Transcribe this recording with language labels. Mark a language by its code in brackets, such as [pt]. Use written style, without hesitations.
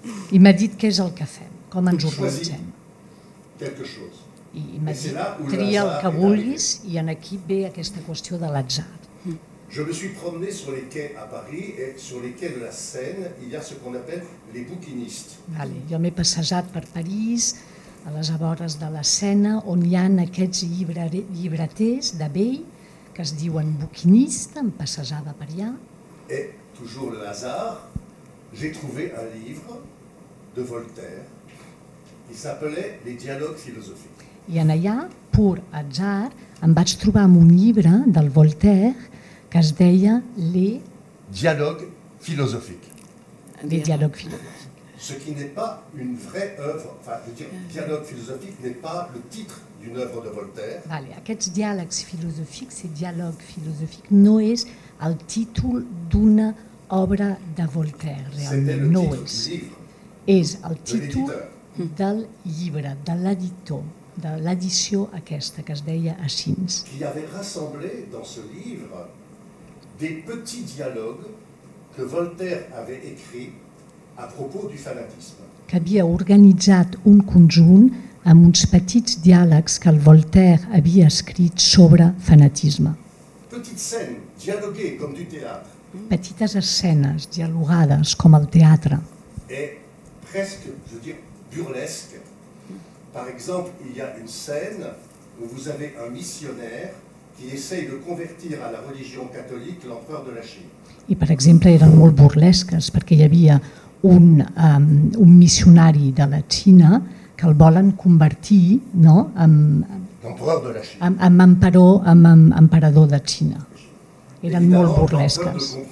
[ca] I m'ha dit què és el que fem, com ens organitzem. [fr] Quelque chose. [ca] I m'ha dit, tria el que vulguis i en aquí ve aquesta qüestió de l'atzar. [fr] Je me suis promené sur les quais à Paris et sur les quais de la Seine il y a ce qu'on appelle les bouquinistes. [ca] Vale, jo m'he passejat per París, a les abores de la Seine, on hi ha aquests llibreters de vell que es diuen bouquinistes, em passejava per allà. [fr] Et toujours le hasard, j'ai trouvé un livre de Voltaire qui s'appelait Les dialogues philosophiques. [ca] I en allà, pur atzar, em vaig trobar amb un llibre del Voltaire que es deia Les [fr] Dialogues philosophiques. Les Dialogues philosophiques. Ce qui n'est pas une vraie œuvre, enfin, je veux dire, Dialogues philosophiques n'est pas le titre d'une œuvre de Voltaire. [ca] Vale, aquests diàlegs filosòfics, [fr] ces dialogues philosophiques, [ca] no és el títol d'una obra de Voltaire, realment. [fr] C'était le titre du livre. [ca] És el títol del llibre, de l'editor, de l'edició aquesta que es deia Assins. [fr] Qui avait rassemblé dans ce livre des petits dialogues que Voltaire avait écrit à propos du fanatisme. [ca] Que havia organitzat un conjunt amb uns petits diàlegs que el Voltaire havia escrit sobre fanatisme. [fr] Petites scènes dialoguées comme du théâtre. [ca] Petites escenes dialogades com el teatre. [fr] Et presque, je veux dire, burlesque. Par exemple, il y a une scène où vous avez un missionnaire qui essaye de convertir à la religion catholique l'empereur de la Chine. [ca] I per exemple, eren molt burlesques perquè hi havia un missionari de la Xina que el volen convertir, no, emperador de Xina. Eren molt burlesques.